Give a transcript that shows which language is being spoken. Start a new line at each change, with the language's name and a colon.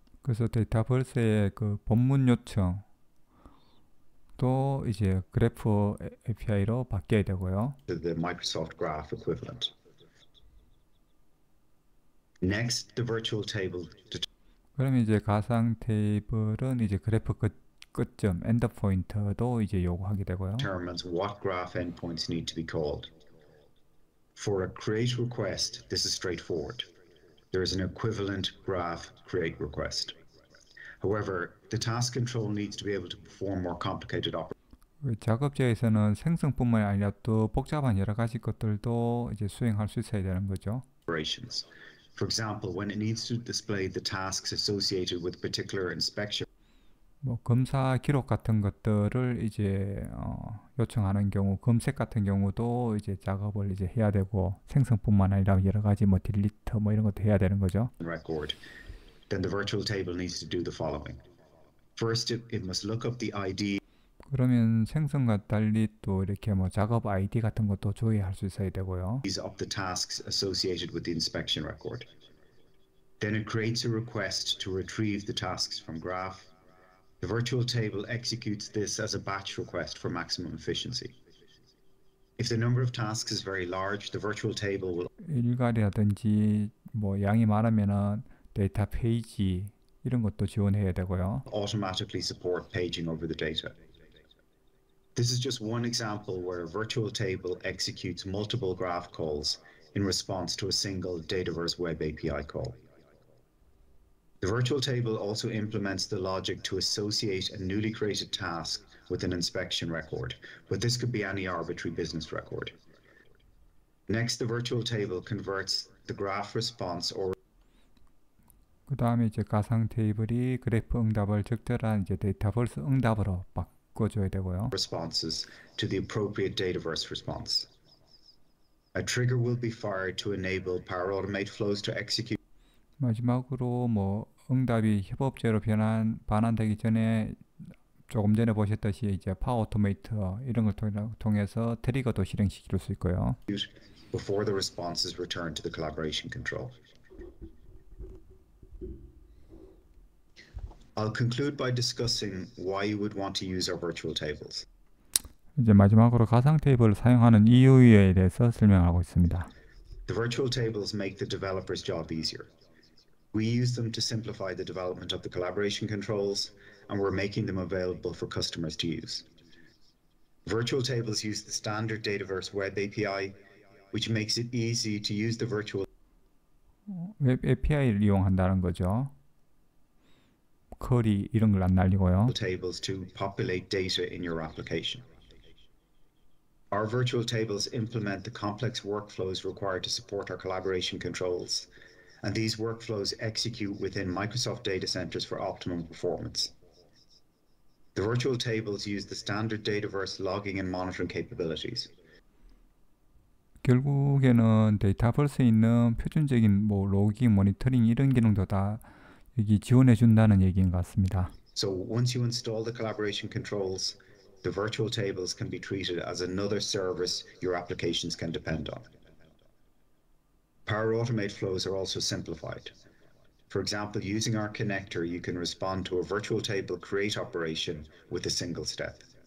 Korean: 그래서 데이터버스의 그 본문 요청 또 이제 그래프 API로 바뀌어야 되고요.
English: The Microsoft Graph equivalent. Next, the virtual table.
Korean: 그럼 이제 가상 테이블은 이제 그래프 끝점 엔드포인트도 이제 요구하게 되고요.
English: Determines what graph endpoints need to be called. For a create request, this is straightforward. There is an equivalent graph create request. However, the task control needs to be able to perform more complicated operations.
Korean: 작업자에서는 생성뿐만 아니라 또 복잡한 여러 가지 것들도 이제 수행할 수 있어야 되는 거죠.
English: Operations. For example, when it needs to display the tasks associated with particular inspection.
Korean: 뭐 검사 기록 같은 것들을 이제 요청하는 경우 검색 같은 경우도 이제 작업을 이제 해야 되고 생성뿐만 아니라 여러 가지 뭐 딜리트 뭐 이런 것도 해야 되는 거죠.
English: Record. Then the virtual table needs to do the following. First it must look up the ID.
Korean: 그러면 생성과 달리 또 이렇게 뭐 작업 ID 같은 것도 조회할 수 있어야 되고요.
English: Is up the tasks associated with the inspection record. Then it creates a request to retrieve the tasks from graph. The virtual table executes this as a batch request for maximum efficiency. If the number of tasks is very large, the virtual table will
Korean: 일괄이라든지 뭐 양이 많으면은 데이터 페이지 이런 것도 지원해야 되고요.
English: Automatically support paging over the data. This is just one example where a virtual table executes multiple graph calls in response to a single Dataverse web API call. The virtual table also implements the logic to associate a newly created task with an inspection record, but this could be any arbitrary business record. Next, the virtual table converts the graph response or
Korean: 그다음에 이제 가상 테이블이 그래프 응답을 적절한 이제 데이터버스 응답으로 바꿔줘야 되고요.
English: Responses to the appropriate Dataverse response. A trigger will be fired to enable Power Automate flows to execute.
Korean: 마지막으로 뭐 응답이 협업제로 변환 반환되기 전에 조금 전에 보셨듯이 이제 파워 오토메이터 이런 걸 통해서 트리거도 실행시킬 수 있고요.
English: Before the response is returned to the collaboration control. I'll conclude by discussing why you would want to use our virtual tables.
Korean: 이제 마지막으로 가상 테이블을 사용하는 이유에 대해서 설명하고 있습니다.
English: The virtual tables make the developer's job easier. We use them to simplify the development of the collaboration controls, and we're making them available for customers to use. Virtual tables use the standard Dataverse web API, which makes it easy to use the virtual
Korean: web API를 이용한다는 거죠. 쿼리 이런 걸 안 날리고요.
English: Tables to populate data in your application. Our virtual tables implement the complex workflows required to support our collaboration controls, and these workflows execute within Microsoft data centers for optimum performance. The virtual tables use the standard Dataverse logging and monitoring capabilities.
Korean: 결국에는 데이터버스에 있는 표준적인 뭐 로깅, 모니터링 이런 기능도 다 여기 지원해 준다는 얘기인 것 같습니다.
English: So once you install the collaboration controls, the virtual tables can be treated as another service your applications can depend on. Power Automate flows are also simplified. For example, using our connector, you can respond to a virtual table create operation with a single step.